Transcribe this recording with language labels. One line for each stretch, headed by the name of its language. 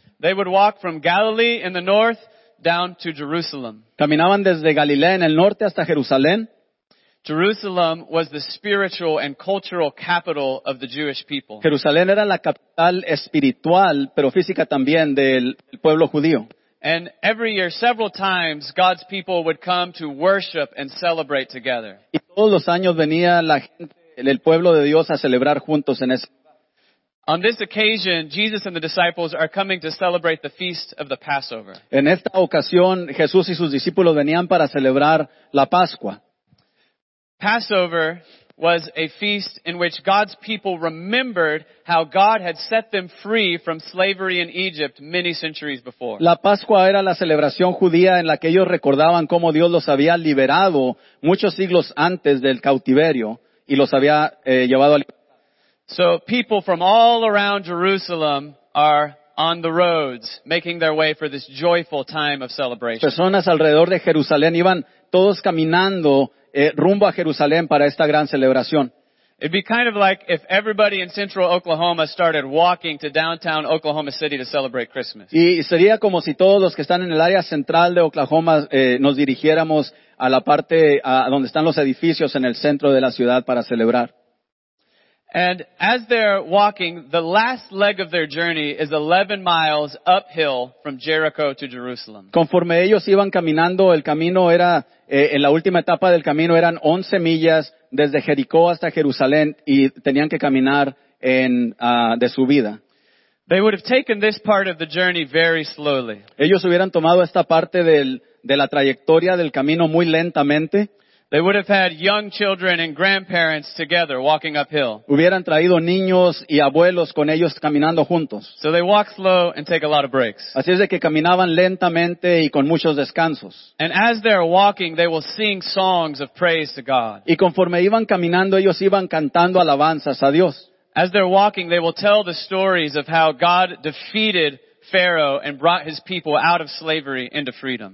English: They would walk from Galilee in the north down to Jerusalem.
Spanish: Caminaban desde Galilea en el norte hasta Jerusalén.
English: Jerusalem was the spiritual and cultural capital of the Jewish people.
Spanish: Jerusalén era la capital espiritual, pero física también del pueblo judío.
English: And every year, several times, God's people would come to worship and celebrate together.
Spanish: Y todos los años venía la gente, el pueblo de Dios, a celebrar juntos en ese.
English: On this occasion, Jesus and the disciples are coming to celebrate the feast of the Passover.
Spanish: En esta ocasión, Jesús y sus discípulos venían para celebrar la Pascua.
English: Passover was a feast in which God's people remembered how God had set them free from slavery in Egypt many centuries before.
Spanish: La Pascua era la celebración judía en la que ellos recordaban cómo Dios los había liberado muchos siglos antes del cautiverio y los había llevado a libertad.
English: So people from all around Jerusalem are on the roads making their way for this joyful time of celebration.
Spanish: Personas alrededor de Jerusalén iban todos caminando rumbo a Jerusalén para esta gran celebración.
English: It'd be kind of like if everybody in central Oklahoma started walking to downtown Oklahoma City to celebrate Christmas.
Spanish: Y sería como si todos los que están en el área central de Oklahoma nos dirigiéramos a la parte a donde están los edificios en el centro de la ciudad para celebrar.
English: And as they're walking, the last leg of their journey is 11 miles uphill from Jericho to Jerusalem.
Spanish: Conforme ellos iban caminando, el camino era, en la última etapa del camino eran 11 millas desde Jericó hasta Jerusalén y tenían que caminar de subida.
English: They would have taken this part of the journey very slowly.
Spanish: Ellos hubieran tomado esta parte de la trayectoria del camino muy lentamente.
English: They would have had young children and grandparents together walking uphill.
Spanish: Hubieran traído niños y abuelos con ellos caminando juntos.
English: So they walk slow and take a lot of breaks.
Spanish: Así es de que caminaban lentamente y con muchos descansos.
English: And as they're walking, they will sing songs of praise to God.
Spanish: Y conforme iban caminando, ellos iban cantando alabanzas a Dios.
English: As they're walking, they will tell the stories of how God defeated Pharaoh and brought his people out of slavery into freedom.